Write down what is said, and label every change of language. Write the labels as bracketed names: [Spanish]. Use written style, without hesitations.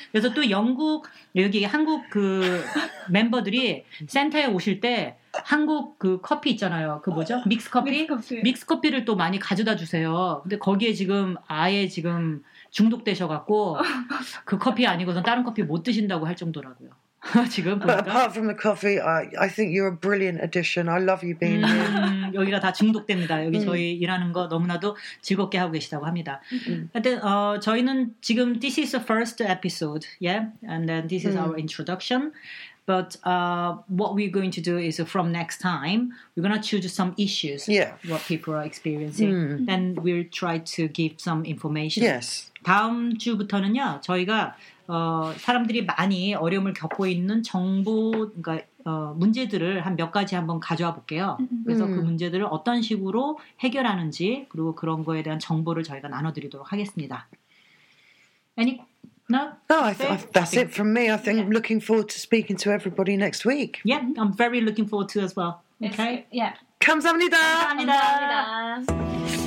[Korean] 그래서 또 영국 여기 한국 그 멤버들이 센터에 오실 때. 한국 그 커피 있잖아요. 그 뭐죠? 믹스커피? 믹스커피를 또 많이 가져다 주세요. 근데 거기에 지금 아예 지금 중독되셔갖고 그 커피 아니고선 다른 커피 못 드신다고 할 정도라고요. 지금 보니까. [English] But apart from the coffee, I think you're a brilliant addition. I love you being here. [Korean] 여기가 다 중독됩니다. 여기 저희 일하는 거 너무나도 즐겁게 하고 계시다고 합니다. 하여튼 저희는 지금 [English] this is the first episode. Yeah? And then this is our introduction. But what we're going to do is from next time, we're going to choose some issues, what people are experiencing. Then we'll try to give some information. Yes. [Korean] 다음 주부터는요, 저희가 사람들이 많이 어려움을 겪고 있는 정보, 그러니까 문제들을 한 몇 가지 한번 가져와 볼게요. 그래서 그 문제들을 어떤 식으로 해결하는지, 그리고 그런 거에 대한 정보를 저희가 나눠드리도록 하겠습니다. [English] Any No, oh, that's it from me. I think I'm looking forward to speaking to everybody next week. Yeah, I'm very looking forward to it as well. Okay? Yeah. [Korean] 감사합니다. 감사합니다. 감사합니다.